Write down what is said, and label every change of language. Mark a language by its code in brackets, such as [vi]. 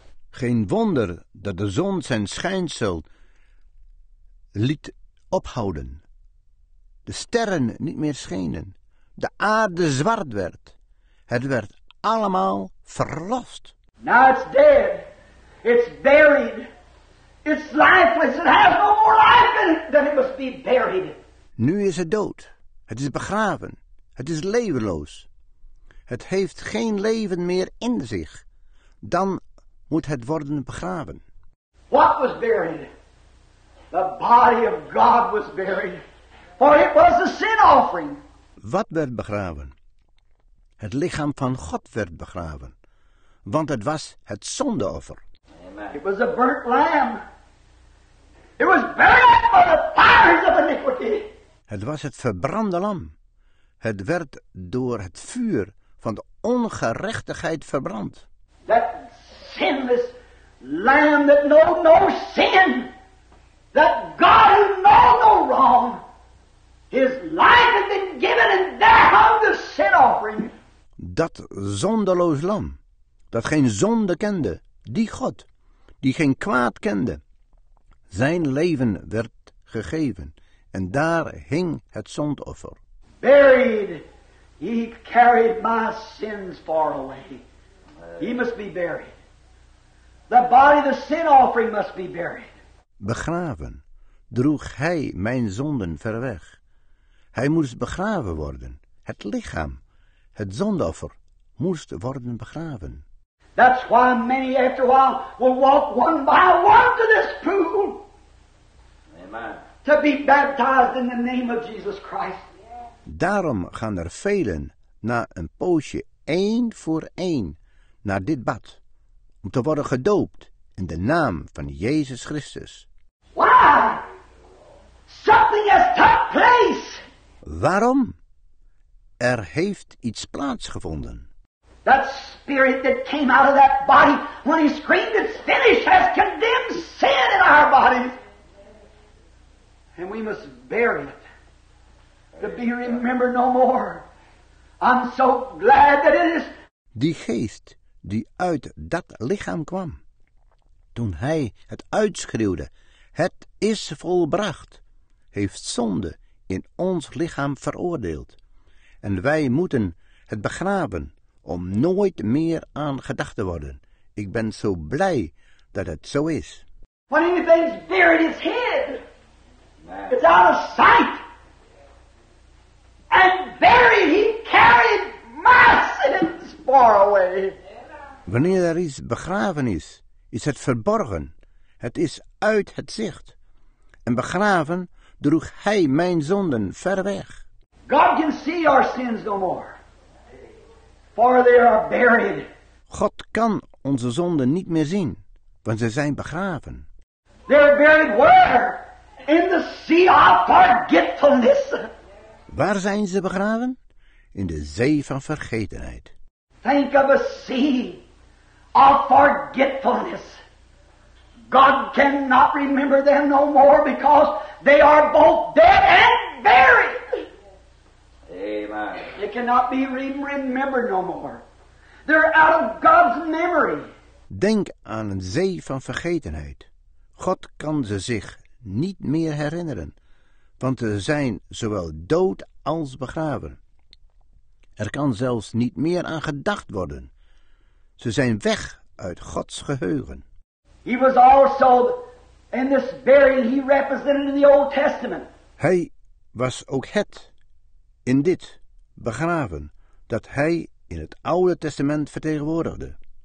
[nl] Geen wonder dat de zon zijn schijnsel liet ophouden. De sterren niet meer schenen. De aarde zwart werd. Het werd allemaal verlost. [en] Now it's dead. It's buried. It's lifeless. It has no more life than it must be buried. [nl] Nu is het dood. Het is begraven. Het is levenloos. Het heeft geen leven meer in zich. Dan moet het worden begraven. [en] What was buried? The body of God was buried. For it was the sin offering. [nl] Wat werd begraven? Het lichaam van God werd begraven. Want het was het zondeoffer. [en] It was a burnt lamb. It was buried by the fires of iniquity. [nl] Het was het verbrande lam. Het werd door het vuur van de ongerechtigheid verbrand. [en] That sinless lamb that knew no sin. That God who knew no wrong. His life had been given and there hung the sin offering. [nl] Dat zondeloos lam, dat geen zonde kende, die God, die geen kwaad kende. Zijn leven werd gegeven en daar hing het zondoffer. [en] Buried, he carried my sins far away. He must be buried. The body, the sin offering must be buried. [nl] Begraven droeg hij mijn zonden ver weg. Hij moest begraven worden. Het lichaam, het zondoffer, moest worden begraven. [en] That's why many after a while will walk one by one to this pool. Amen. To be baptized in the name of Jesus Christ. [nl] Daarom gaan er velen na een poosje één voor één naar dit bad. Om te worden gedoopt in de naam van Jezus Christus. [en] Why? Something has took place. [nl] Waarom? Er heeft iets plaatsgevonden. [en] That spirit that came out of that body when he screamed it's finished has condemned sin in our bodies. And we must bury it to be remembered no more. I'm so glad that it is. [nl] Die geest die uit dat lichaam kwam, toen hij het uitschreeuwde, het is volbracht, heeft zonde in ons lichaam veroordeeld. En wij moeten het begraven om nooit meer aan gedacht te worden. Ik ben zo blij dat het zo is. [en] When anything's buried, it's hid. It's out of sight. And buried, he carried my sins far away. [nl] Wanneer er iets begraven is, is het verborgen. Het is uit het zicht. En begraven droeg hij mijn zonden ver weg. [en] God can see our sins no more, for they are buried. [nl] God kan onze zonden niet meer zien, want ze zijn begraven. [en] They are buried where? In the sea of forgetfulness. [nl] Waar zijn ze begraven? In de zee van vergetenheid. [en] Think of a sea of forgetfulness. God cannot remember them no more because they are both dead and buried. Amen. It cannot be remembered no more. They're out of God's memory. [nl] Denk aan een zee van vergetenheid. God kan ze zich niet meer herinneren, want ze zijn zowel dood als begraven. Er kan zelfs niet meer aan gedacht worden. Ze zijn weg uit Gods geheugen. [en] He was also in this burying he represented in the Old Testament. [nl] Hij was ook het in dit begraven dat hij in het Oude Testament vertegenwoordigde.